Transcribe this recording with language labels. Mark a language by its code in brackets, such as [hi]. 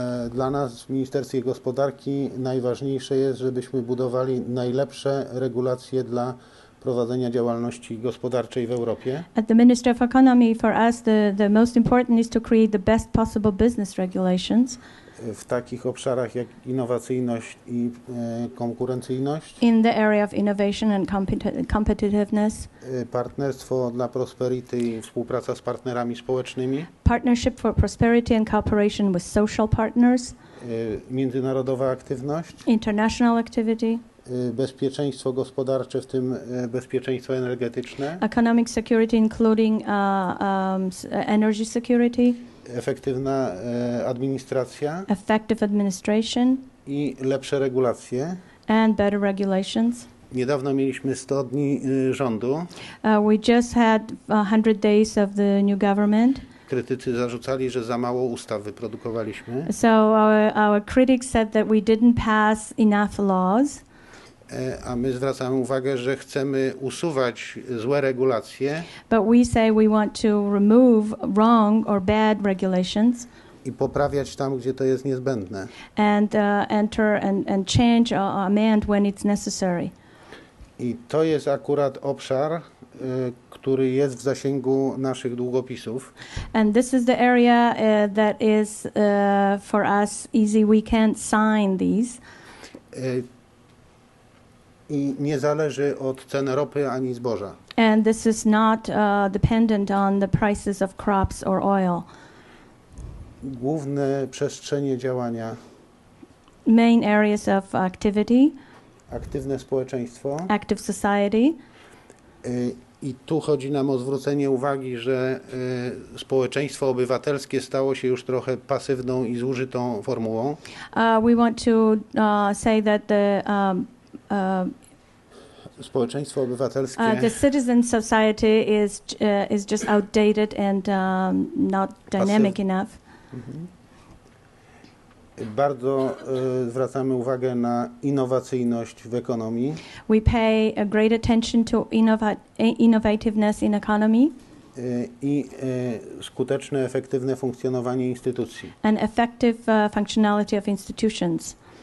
[pl] Dla nas w Ministerstwie Gospodarki najważniejsze jest, żebyśmy budowali najlepsze regulacje dla prowadzenia działalności gospodarczej w Europie. [en] At the Ministry of Economy, for us, the most important is to create the best possible business regulations. [pl] w takich obszarach jak innowacyjność i konkurencyjność. [en] In the area of innovation and competitiveness. [pl] Partnerstwo dla prosperity i współpraca z partnerami społecznymi. [en] Partnership for prosperity and cooperation with social partners. [pl] Międzynarodowa aktywność. [en] International activity. [pl] Bezpieczeństwo gospodarcze, w tym bezpieczeństwo energetyczne. [en] Economic security, including energy security. [pl] Efektywna administracja. [en] Effective administration. [pl] I lepsze regulacje. [en] And better regulations. [pl] Niedawno mieliśmy 100 dni rządu. [en] We just had 100 days of the new government. [pl] Krytycy zarzucali, że za mało ustaw wyprodukowaliśmy. [en] So our critics said that we didn't pass enough laws. [pl] A my zwracamy uwagę, że chcemy usuwać złe regulacje. [en] But we say we want to remove wrong or bad regulations. [pl] I poprawiać tam, gdzie to jest niezbędne. [en] And enter and change or amend when it's necessary. [pl] I to jest akurat obszar, który jest w zasięgu naszych długopisów. [en] And this is the area that is for us easy. We can sign these. [pl] I nie zależy od cen ropy ani zboża. [en] And this is not dependent on the prices of crops or oil. [pl] Główne przestrzenie działania. [en] Main areas of activity. [pl] Aktywne społeczeństwo. [en] Active society. [pl] I tu chodzi nam o zwrócenie uwagi, że społeczeństwo obywatelskie stało się już trochę pasywną i zużytą formułą. [en] We want to say that the [pl] społeczeństwo obywatelskie. [en] The citizen society is just outdated and not dynamic enough. [pl] Bardzo zwracamy uwagę na innowacyjność w ekonomii. [en] We pay a great attention to innovativeness in economy. [pl] I skuteczne, efektywne funkcjonowanie instytucji. [en] An effective functionality of institutions.